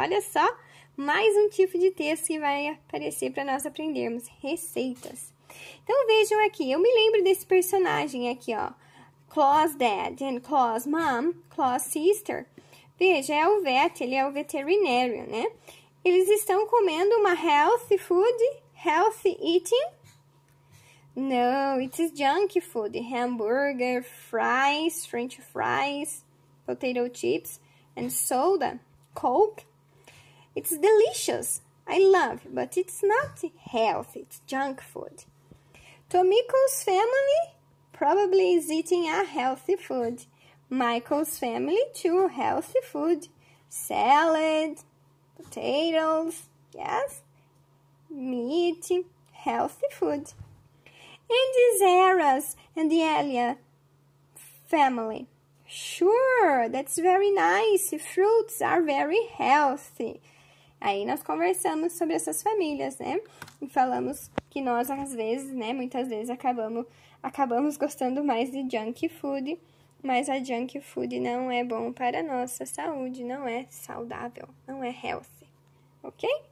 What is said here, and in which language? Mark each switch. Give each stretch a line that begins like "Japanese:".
Portuguese: Olha só, mais um tipo de texto que vai aparecer para nós aprendermos receitas. Então, vejam aqui, eu me lembro desse personagem aqui, ó, Claw's dad and Claw's mom, Claw's sister. Veja, é o vet, ele é o veterinário, né? Eles estão comendo uma healthy food, healthy eating.
English: No, it's junk food, hamburger, fries, french fries, potato chips and soda, coke. It's delicious, I love, but it's not healthy, it's junk food. Tomiko's family probably is eating a healthy food. Michael's family too, healthy food. Salad, potatoes, yes. Meat, healthy food. And Zara's and the Elia family. Sure, that's very nice. Fruits are very healthy.
Portuguese: Aí nós conversamos sobre essas famílias, né? E falamos que nós, às vezes, né? Muitas vezes acabamos gostando mais de junk food Mas a junk food não é bom para a nossa saúde, não é saudável, não é healthy, ok?